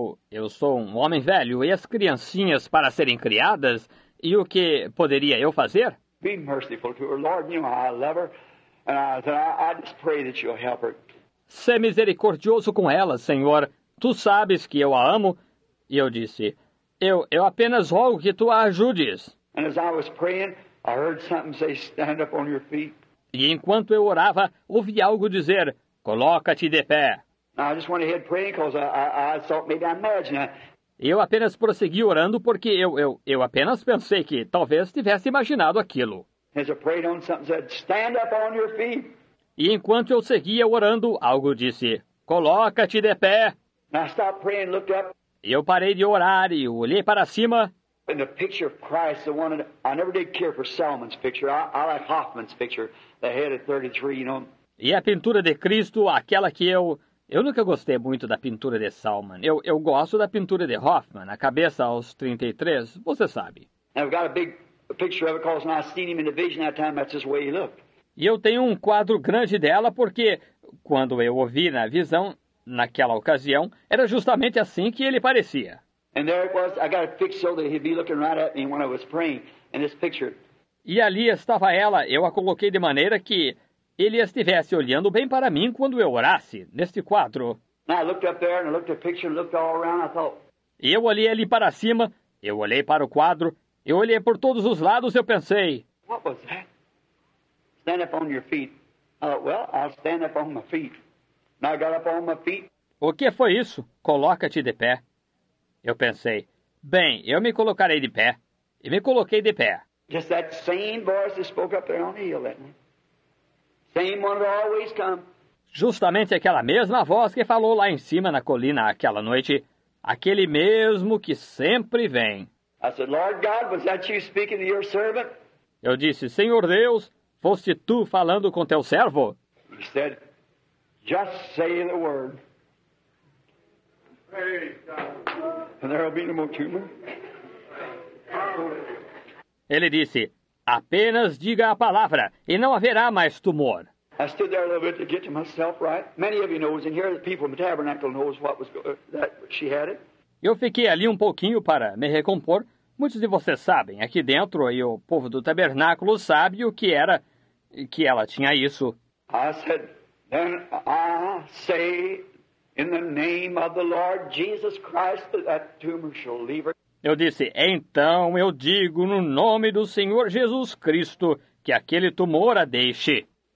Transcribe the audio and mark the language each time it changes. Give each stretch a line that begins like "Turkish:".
Portuguese: Eu sou um homem velho e as criancinhas para serem criadas, e o que poderia eu fazer?
English: Be merciful to her, Lord. You know I love her, and I just pray that you'll help her.
Portuguese: Seja misericordioso com ela, Senhor. Tu sabes que eu a amo. E eu disse, eu apenas rogo que tu a ajudes.
English: And as I was praying, I heard something say, stand up on your feet.
Portuguese: E enquanto eu orava, ouvi algo dizer, coloca-te de pé.
English: I just went ahead praying because I thought maybe I imagined it.
Portuguese: Eu apenas prossegui orando porque eu apenas pensei que talvez tivesse imaginado aquilo.
English: As I prayed on something said, stand up on your feet.
Portuguese: E enquanto eu seguia orando, algo disse, Coloca-te de pé.
English: And I stopped praying, looked up.
Portuguese: Eu parei de orar e olhei para cima.
English: And the picture of Christ, the one that I never did care for Selman's picture. I like Hoffman's picture, the head of 33, you know.
Portuguese: E a pintura de Cristo, aquela que eu nunca gostei muito da pintura de Selman. Eu gosto da pintura de Hoffman, a cabeça aos 33, você sabe.
English: And I've got a big picture of it because when I seen him in the vision that time, that's just the way he looked.
Portuguese: E eu tenho um quadro grande dela porque quando eu o vi na visão, naquela ocasião, era justamente assim que ele parecia.
English: And there it was. I got it fixed so that he'd be looking right at me when I was praying in this picture.
Portuguese: E ali estava ela. Eu a coloquei de maneira que ele estivesse olhando bem para mim quando eu orasse neste quadro.
English: And I looked up there and I looked at the picture and looked all around. I thought.
Portuguese: E eu olhei ali para cima. Eu olhei para o quadro. Eu olhei por todos os lados. Eu pensei.
English: What was that? Stand up on your feet. Well, I'll stand up on my feet. And I got up on my feet.
Portuguese: O que foi isso? Coloca-te de pé. Eu pensei, bem, eu me colocarei de pé. E me coloquei de pé.
English: Just that same voice that spoke up there on the hill, that one. Same one that always come.
Portuguese: Justamente aquela mesma voz que falou lá em cima na colina aquela noite. Aquele mesmo que sempre vem.
English: I said, Lord God, was that you speaking to your servant?
Portuguese: Eu disse, Senhor Deus, foste tu falando com teu servo?
English: He said, just say the word. And there'll be no more tumor.
Portuguese: Ele disse, apenas diga a palavra e não haverá mais tumor.
English: I stood there a little bit to get to myself right. Many of you knows in here the people in the tabernacle knows what was that she had it.
Portuguese: Eu fiquei ali um pouquinho para me recompor. Muitos de vocês sabem, aqui dentro e o povo do tabernáculo sabe o que era que ela tinha isso.
English: I said, then I say in the name of the Lord Jesus Christ, that tumor shall leave her.
Portuguese: Eu disse, então eu digo no nome do Senhor Jesus Cristo que aquele tumor a deixe.